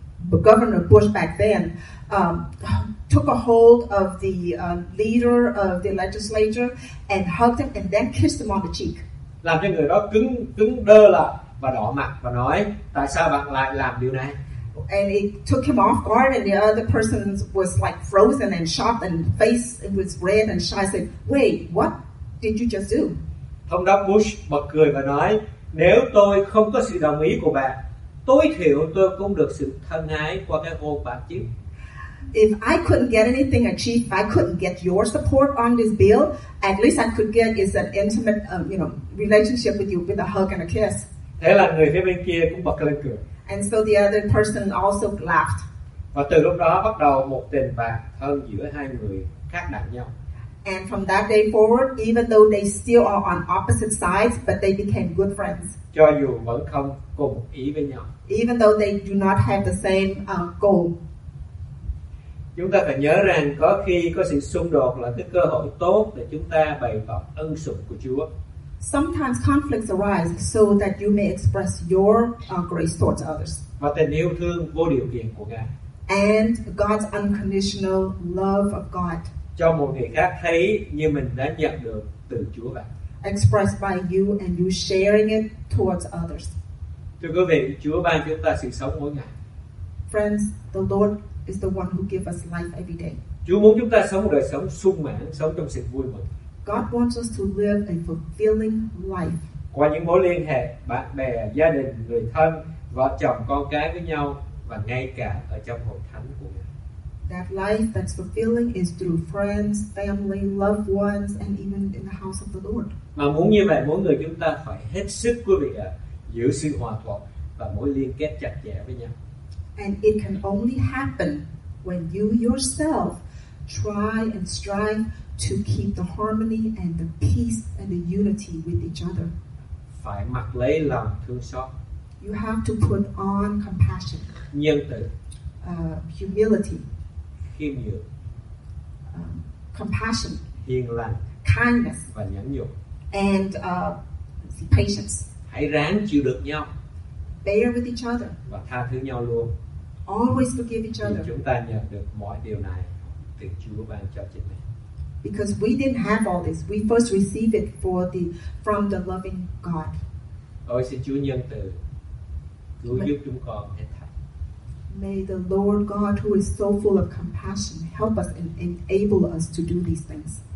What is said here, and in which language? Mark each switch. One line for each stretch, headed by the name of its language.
English: But Governor Bush back then took a hold of the leader of the legislature and hugged him and then kissed him on the cheek.
Vietnamese: Làm cho người đó cứng đơ lại và đỏ mặt và nói, tại sao bạn lại làm điều này?
English: And it took him off guard and the other person was like frozen and shocked and face it was red and shy. Said, wait, what did you just do?
Vietnamese: Thống đốc Bush bật cười và nói, nếu tôi không có sự đồng ý của bạn, tối thiểu tôi cũng được sự thân ái qua cái hôn bạc chứ.
English: If I couldn't get anything achieved, if I couldn't get your support on this bill, at least I could get is an intimate, relationship with you with a hug and a kiss.
Vietnamese: Thế là người phía bên kia cũng bật lên cười.
English: And so the other person also laughed.
Vietnamese: Và từ lúc đó bắt đầu một tình bạn thân giữa hai người khác đặt nhau.
English: And from that day forward, even though they still are on opposite sides, but they became good friends.
Vietnamese: Cho dù vẫn không cùng ý với nhau.
English: Even though they do not have the same goal.
Vietnamese: Chúng ta phải nhớ rằng có khi có sự xung đột là cái cơ hội tốt để chúng ta bày tỏ ân sủng của Chúa.
English: Sometimes conflicts arise so that you may express your grace towards others.
Vietnamese: Và tình yêu thương vô điều kiện của Ngài.
English: And God's unconditional love of God.
Vietnamese: Cho một người khác thấy như mình đã nhận được từ Chúa vậy.
English: expressed by you and you sharing it towards others.
Vietnamese: Thưa quý vị, Chúa ban chúng ta sự sống mỗi ngày.
English: Friends, the Lord is the one who gives us life every day.
Vietnamese: Chúa muốn chúng ta sống đời sống sung mãn, sống trong sự vui mừng.
English: God wants us to live a fulfilling life.
Vietnamese: Qua những mối liên hệ bạn bè, gia đình, người thân, vợ chồng, con cái với nhau và ngay cả ở trong hội thánh của Ngài.
English: That life that's fulfilling is through friends, family, loved ones and even in the house of the Lord.
Vietnamese: Mà muốn như vậy, mỗi người chúng ta phải hết sức quý vị ạ, giữ sự hòa thuận và mối liên kết chặt chẽ với nhau.
English: And it can only happen when you yourself try and strive to keep the harmony and the peace and the unity with each other.
Vietnamese: Phải mặc lấy lòng thương xót.
English: You have to put on compassion.
Vietnamese: Nhân từ.
English: Humility.
Vietnamese: Khiêm nhường.
English: Compassion.
Vietnamese: Hiền lành.
English: Kindness.
Vietnamese: Và nhẫn nhục.
English: And patience.
Vietnamese: Hãy ráng chịu được nhau.
English: Bear with each other.
Vietnamese: Và tha thứ nhau luôn.
English: Always forgive each other.
Vietnamese: Thì chúng ta nhận được mọi điều này từ Chúa ban cho chính mình.
English: Because we didn't have all this, we first received it from the loving God.
Vietnamese: Ôi xin Chúa nhân từ cứu giúp chúng con hết thảy.
English: May the Lord God, who is so full of compassion, help us and enable us to do these things.